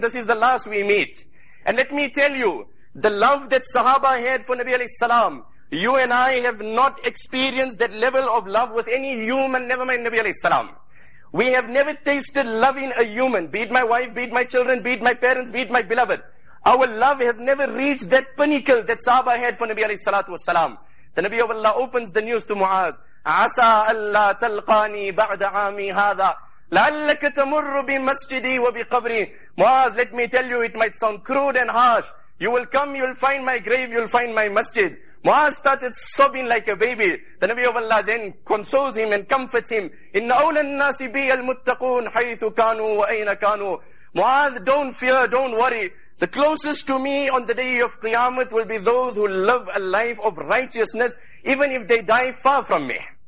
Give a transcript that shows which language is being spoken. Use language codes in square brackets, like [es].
[en] This is the last we meet. And let me tell you, the love that Sahaba had for Nabi alayhi salam, you and I have not experienced that level of love with any human, never mind Nabi alayhi salam. We have never tasted love in a human, be it my wife, be it my children, be it my parents, be it my beloved. Our love has never reached that pinnacle that Sahaba had for Nabi alayhi salatu wasalam. The Nabi of Allah opens the news to Muaz. [ar] عسى ألا تلقاني بعد عامي هذا لعلك تمر بمسجدي وبقبري. [en] معاذ, let me tell you, it might sound crude and harsh. You will come, you will find my grave, you will find my masjid. Muaz started sobbing like a baby. The Nabi of Allah then consoles him and comforts him. [ar] إِنَّ أَوْلَى النَّاسِ بِيَ الْمُتَّقُونَ حَيْثُ كَانُوا وَأَيْنَ كَانُوا. [en] Muaz, don't fear, don't worry. The closest to me on the day of Qiyamah will be those who live a life of righteousness, even if they die far from me.